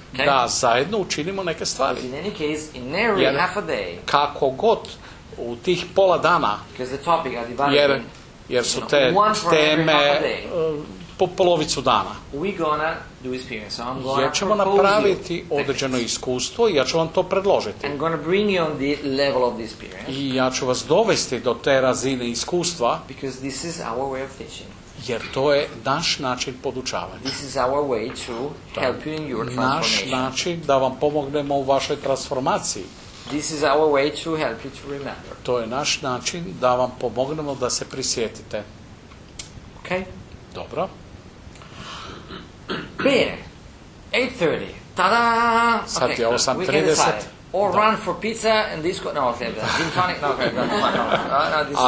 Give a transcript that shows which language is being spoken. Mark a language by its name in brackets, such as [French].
[Croatian] Da zajedno učinimo neke stvari. [English] In any case, in nearly half a day, [Croatian] kako god u tih pola dana, [English] the topic are divided, [Croatian] jer su te teme po polovicu dana, [English] we gonna do experience. So I'm gonna [Croatian] jer ćemo napraviti određeno iskustvo i ja ću vam to predložiti. [English] I'm gonna bring you on the level of the experience. [Croatian] I ja ću vas dovesti do te razine iskustva. [English] Because this is our way of teaching. [Croatian] Jer to je naš način podučavanja. [English] This is our way to help you in your [Croatian] naš način da vam pomognemo u vašoj transformaciji. [English] This is our way to help you to remember. [Croatian] To je naš način da vam pomognemo da se prisjetite. [English] Okay. [Croatian] Dobro. [Italian] Bene. 8:30. Ta-da! [Croatian] Sad okay, je 8:30. [English] Or da. Run for pizza and disco. No, okay, gin tonic. No, okay, no,